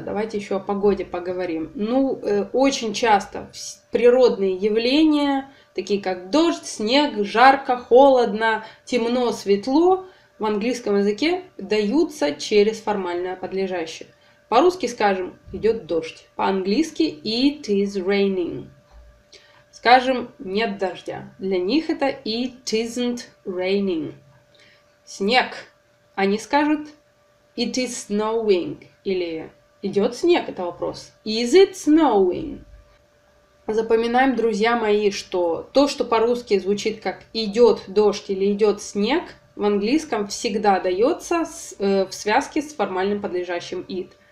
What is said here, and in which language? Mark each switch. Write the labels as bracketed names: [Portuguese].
[Russian] Давайте еще о погоде поговорим. Ну, очень часто природные явления, такие как дождь, снег, жарко, холодно, темно, светло, в английском языке даются через формальное подлежащее. По-русски скажем, идет дождь. По-английски [English] it is raining. [Russian] Скажем, нет дождя. Для них это [English] it isn't raining. [Russian] Снег. Они скажут [English] it is snowing. [Russian] Или идет снег, это вопрос. [English] Is it snowing? [Russian] Запоминаем, друзья мои, что то, что по-русски звучит как идет дождь или идет снег, в английском всегда дается в связке с формальным подлежащим it.